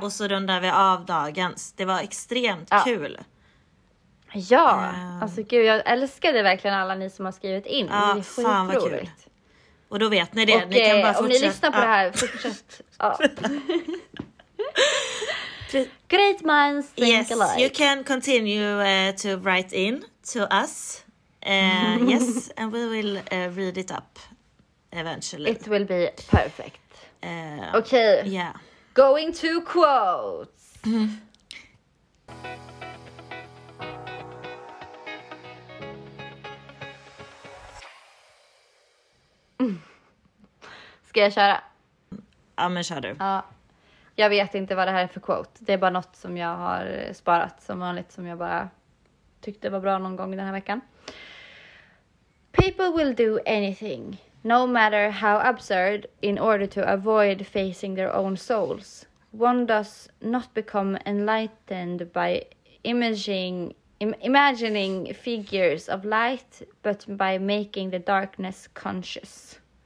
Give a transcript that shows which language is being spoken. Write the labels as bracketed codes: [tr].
[sv] Och så rundar vi av dagens. Det var extremt kul. Ja. Alltså gud, jag älskade verkligen alla ni som har skrivit in. Ja, det är fan vad kul. Och då vet ni det. [en] Okay. [sv] Ni kan bara fortsätta. Om ni lyssnar på det här, fortsätt. Ja. [en] Great minds think yes, alike. You can continue to write in to us. yes, and we will read it up eventually. It will be perfect. Okay. Yeah. Going to quotes. [sv] Ska jag köra? Ja, men kör du. Ja. Jag vet inte vad det här är för quote. Det är bara något som jag har sparat som vanligt. Som jag bara tyckte var bra någon gång den här veckan. [en] People will do anything, no matter how absurd, in order to avoid facing their own souls. One does not become enlightened by imagining figures of light, but by making the darkness conscious.